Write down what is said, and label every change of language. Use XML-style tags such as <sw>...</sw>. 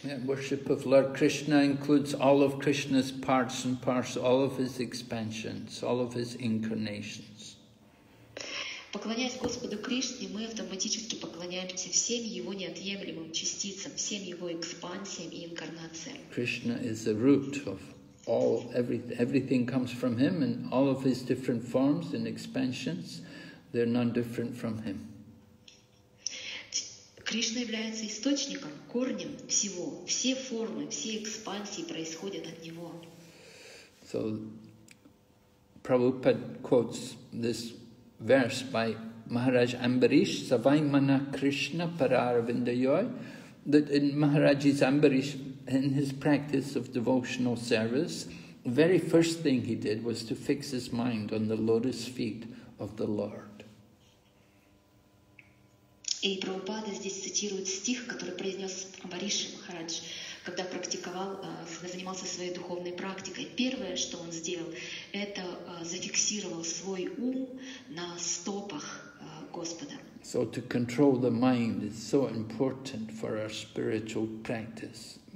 <en>Yeah, worship of Lord Krishna includes all of Krishna's parts and parts, all of his expansions, all of his incarnations.</en> <ru>Поклоняясь Господу Кришне, мы автоматически поклоняемся всем Его неотъемлемым частицам, всем Его экспансиям и инкарнациям.</ru> <en>Krishna is the root of all, everything comes from Him, and all of His different forms and expansions, they're none different from Him.</en> <ru>Кришна является источником, корнем всего. Все формы, все экспансии происходят от Него.</ru> <en>So, Prabhupada quotes this verse by Maharaj Ambarish,</en> <sa>Savai Mana Krishna Pararvindayoy,</sa> <en>that in Maharaj Ambarish, in his practice of devotional service, the very first thing he did was to fix his mind on the lotus feet of the Lord.</en> <ru>И Прабхупада здесь цитирует стих, который произнес Амбариш Махарадж, когда практиковал, когда занимался своей духовной практикой. Первое, что он сделал, это зафиксировал свой ум на стопах Господа.</ru> <en>So to control the mind is so important for our spiritual practice.</en>